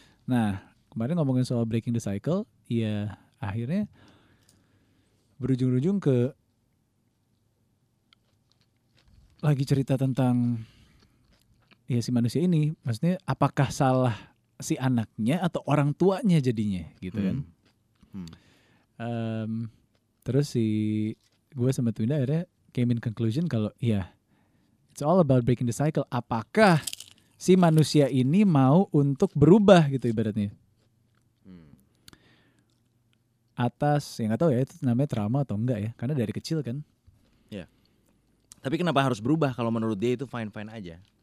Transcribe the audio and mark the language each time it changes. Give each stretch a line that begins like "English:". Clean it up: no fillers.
Indonesian: Nah, kemarin ngomongin soal
English: breaking the cycle,
Indonesian: ya akhirnya berujung-ujung ke lagi cerita tentang ya si manusia ini. Maksudnya apakah salah si anaknya atau orang tuanya jadinya gitu kan. Terus si gue sama Twinda akhirnya
English: came in conclusion
Indonesian: kalau ya,
English: it's all about breaking the cycle.
Indonesian: Apakah si manusia ini mau untuk berubah gitu ibaratnya. Atas, ya gak tahu ya itu namanya trauma atau enggak ya. Karena dari kecil kan. Iya. Tapi kenapa harus berubah kalau menurut dia itu fine-fine aja?